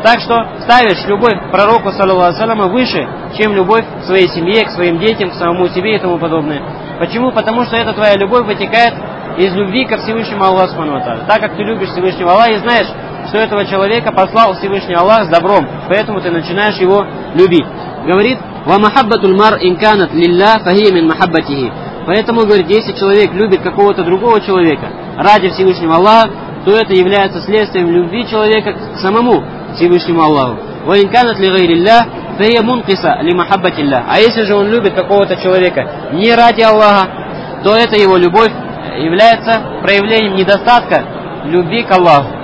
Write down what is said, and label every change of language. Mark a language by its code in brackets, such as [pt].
[ru] Так что ставишь любовь к пророку, саллаллаху алейхи ва саллям, выше, чем любовь к своей семье, к своим детям, к самому себе и тому подобное. Почему? Потому что эта твоя любовь вытекает из любви ко Всевышнему Аллаху субхану ва тааля. Так как ты любишь Всевышнего Аллаха и знаешь, что этого человека послал Всевышний Аллах с добром, поэтому ты начинаешь его любить. [ar] Говорит, وَمَحَبَّةُ الْمَرْ إِنْ كَانَتْ لِلَّهِ فَهِيَ مِنْ مَحَبَّتِهِ. [ru] Поэтому, говорит, если человек любит какого-то другого человека ради Всевышнего Аллаха, то это является следствием любви человека к самому Всевышнему Аллаху. [ar] وَإِنْ كَانَتْ لِغَيْرِ اللَّهِ فَهِيَ مُنْقِسَ لِمَحَبَّةِ اللَّهِ. [ru] А если же он любит какого-то человека не ради Аллаха, то это его любовь является проявлением недостатка любви к Аллаху.